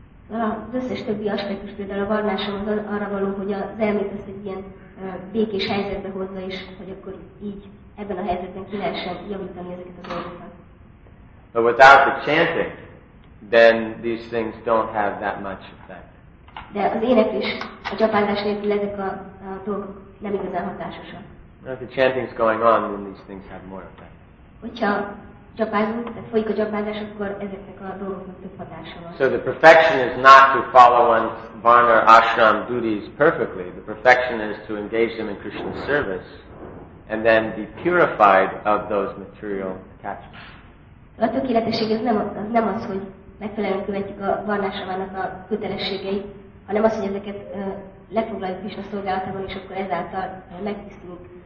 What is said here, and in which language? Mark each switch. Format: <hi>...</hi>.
<hu>Az összes többi aspektus, például a varnásom, az arra való, hogy az elmét ezt egy ilyen békés helyzetbe hozza, és hogy akkor így ebben a helyzetben ki lehessen javítani ezeket a dolgokat.</hu> <en>But without the chanting, then these things don't have that much effect.</en> <hu>De az éneklés, a gyapázás nélkül ezek a dolgok nem igazán hatásosak.</hu> <en>If the chanting is going on, then these things have more effect.</en> <hu>Hogyha gyapázunk, tehát folyik a gyapázás, akkor ezeknek a dolgoknak több hatása van.</hu> <en>So the perfection is not to follow one's varna ashram duties perfectly. The perfection is to engage them in Krishna's service and then be purified of those material attachments.</en> <hu>A tökéletesség nem az, hogy megfelelően követjük a varna ashramának a kötelességeit, hanem az, hogy ezeket lefoglaljuk Krishna szolgálatában, és akkor ezáltal megtisztulunk.</hu>